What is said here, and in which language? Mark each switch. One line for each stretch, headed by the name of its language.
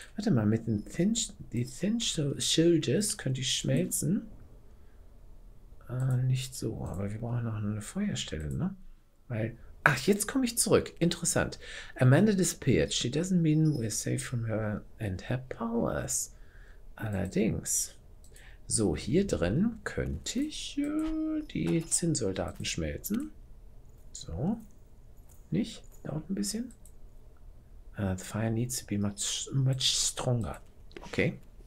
German: Warte mal, mit den Thin Soldiers könnte ich schmelzen. Nicht so, aber wir brauchen noch eine Feuerstelle, ne? Weil... Ach, jetzt komme ich zurück. Interessant.
English: Amanda disappeared. She doesn't mean we're safe from her and her powers.
German: Allerdings. So, hier drin könnte ich die Zinnsoldaten schmelzen. So. Nicht? Dauert ein bisschen.
English: The fire needs to be much stronger. Okay.